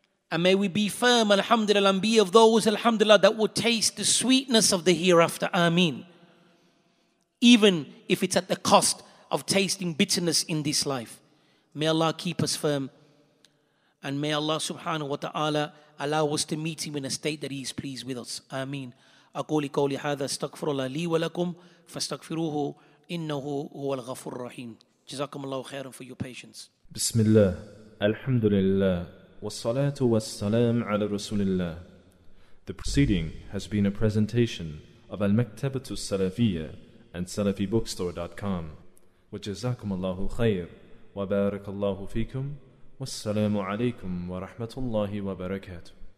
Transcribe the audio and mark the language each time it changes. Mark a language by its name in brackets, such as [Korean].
[English] And may we be firm, alhamdulillah, and be of those, alhamdulillah, that will taste the sweetness of the hereafter. Ameen. Even if it's at the cost of tasting bitterness in this life. May Allah keep us firm. And may Allah subhanahu wa ta'ala allow us to meet Him in a state that He is pleased with us. Ameen. [Arabic] أقول قولي هذا استغفر الله لي ولكم فاستغفروه إنه هو الغفور الرحيم. جزاكم الله خيرا [English] for your patience. [Arabic] بسم الله الحمد لله والصلاة والسلام على رسول الله. [English] The proceeding has been a presentation of المكتبة السلفية and SalafiBookstore.com. [Arabic] وجزاكم الله خير وبارك الله فيكم والسلام عليكم ورحمة الله وبركاته.